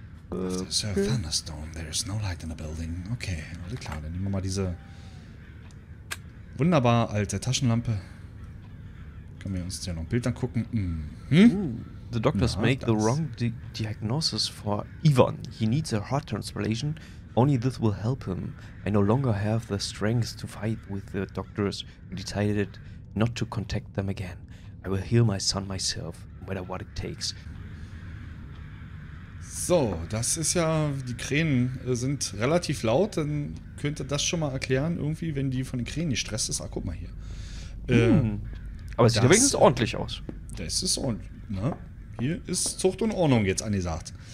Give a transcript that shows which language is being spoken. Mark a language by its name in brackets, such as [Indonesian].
[English] After a thunderstorm, there is no light in the building. [German] Okay, alles klar, dann nehmen wir mal diese wunderbar alte Taschenlampe. Können wir uns ja noch ein Bild angucken. [English] The doctors make the wrong diagnosis for Ivan. He needs a heart transplantation. Only this will help him. I no longer have the strength to fight with the doctors who decided not to contact them again. I will heal my son myself, no matter what it takes. [German] So, das ist ja, die Krähen sind relativ laut, dann könnte das schon mal erklären, irgendwie, wenn die von den Krähen nicht stresst ist. Ah, guck mal hier. Aber es sieht wenigstens ordentlich aus. Das ist ordentlich, ne? Hier ist Zucht und Ordnung jetzt angesagt.